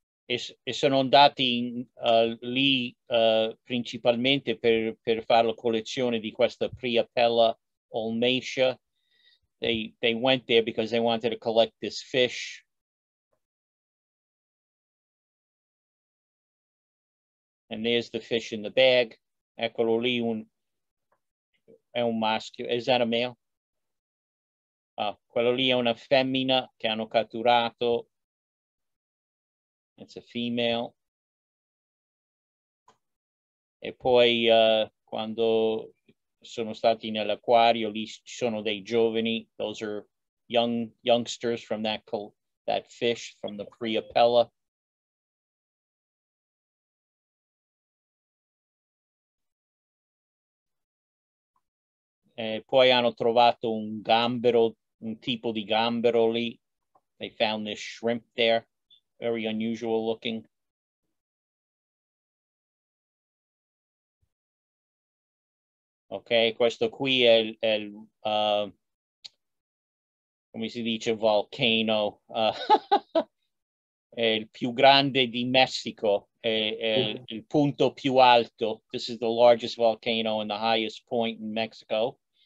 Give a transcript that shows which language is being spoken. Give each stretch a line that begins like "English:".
Italian: E sono andati lì principalmente per fare la collezione di questa Priapella olmacea.
English: They went there because they wanted to collect this fish. And there's the fish in the bag.
Italian: Eccolo lì, è un maschio.
English: Is that a male?
Italian: Ah, quello lì è una femmina che hanno catturato.
English: It's a female.
Italian: E poi quando sono stati nell'acquario, lì ci sono dei giovani.
English: Those are youngsters from that fish, from the Priapella.
Italian: poi hanno trovato un gambero, un tipo di gambero lì.
English: They found this shrimp there, very unusual looking.
Italian: Ok, questo qui è il come si dice, volcano, è il più grande di Messico, è il punto più alto.
English: This is the largest volcano and the highest point in Mexico.